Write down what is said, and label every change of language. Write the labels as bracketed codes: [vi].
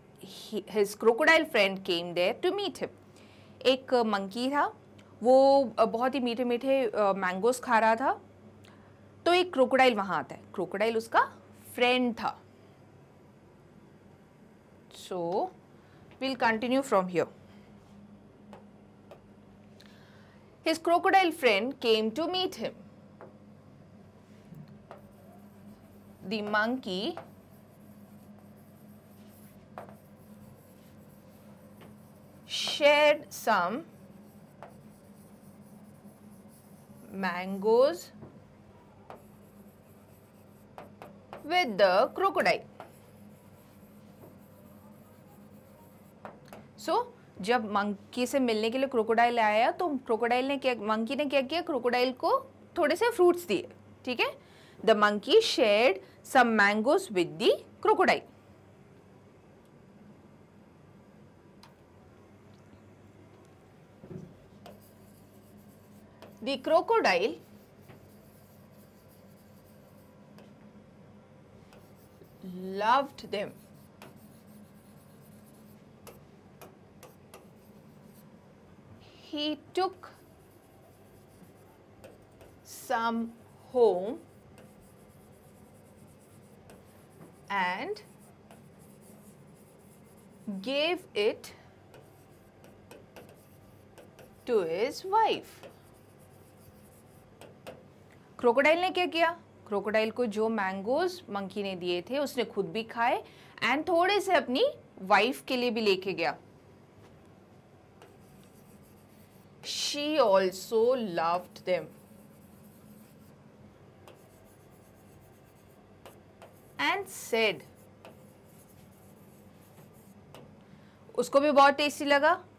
[en] His crocodile friend came there to meet him. [hi] एक monkey था, वो बहुत ही मीठे मीठे मैंगोज खा रहा था, तो एक क्रोकोडाइल वहां आता है. क्रोकोडाइल उसका फ्रेंड था. [en] So we'll continue from here. His crocodile friend came to meet him. The monkey shared some mangoes with the crocodile. [hi] So, जब monkey से मिलने के लिए crocodile आया, तो crocodile ने क्या, monkey ने क्या किया, crocodile को थोड़े से fruits दिए. ठीक है, [en] the monkey shared some mangoes with the crocodile. The crocodile loved them. He took some home and gave it to his wife. [hi] Crocodile ने क्या किया? क्रोकोडाइल को जो मैंगोज मंकी ने दिए थे उसने खुद भी खाए एंड थोड़े से अपनी वाइफ के लिए भी लेके गया. [en] she also loved them and said, [hi] उसको भी बहुत टेस्टी लगा.